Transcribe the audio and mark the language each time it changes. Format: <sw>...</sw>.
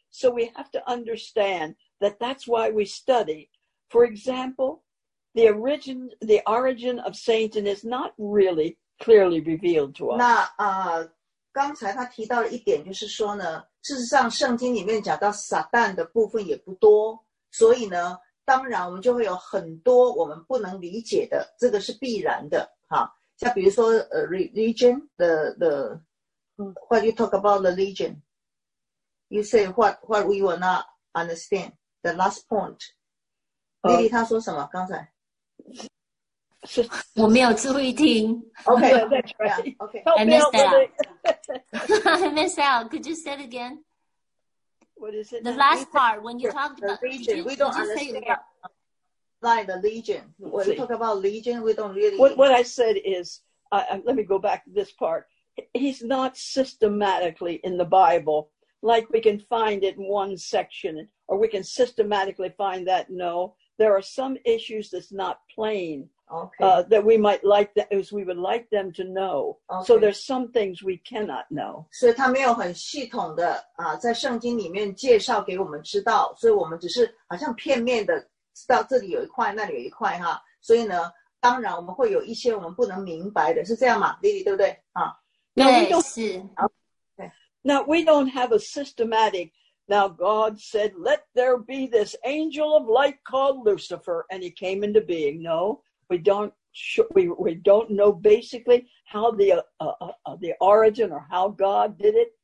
<en>So we have to understand that's why we study. For example, the origin of Satan is not really. Clearly revealed to us.</en> <zh>那啊，刚才他提到了一点，就是说呢，事实上圣经里面讲到撒旦的部分也不多，所以呢，当然我们就会有很多我们不能理解的，这个是必然的。哈，像比如说</zh> <en>religion, the what you talk about religion, you say what we will not understand. The last point, Lily</en> <zh>他说什么？刚才。我没有注意听</zh> <en>okay, that's right. Okay. I missed out I missed out could you say it again what is it the last region? Part when you talked about the region we don't understand about, like the legion when you talk about legion we don't really what I said is let me go back to this part he's not systematically in the Bible like we can find it in one section or we can systematically find that no there are some issues that's not plain Okay. That we might like that as we would like them to know. Okay. So there's some things we cannot know.</en> <zh>所以他没有很系统的在圣经里面介绍给我们知道，所以我们只是好像片面的知道这里有一块，那里有一块哈。所以呢，当然我们会有一些我们不能明白的，是这样吗 ，Lily？对不对？啊，对，是。对。</zh> <en>Now we don't have a systematic. Now God said, "Let there be this angel of light called Lucifer," and he came into being. No. We don't know basically how the origin or how God did it.</en>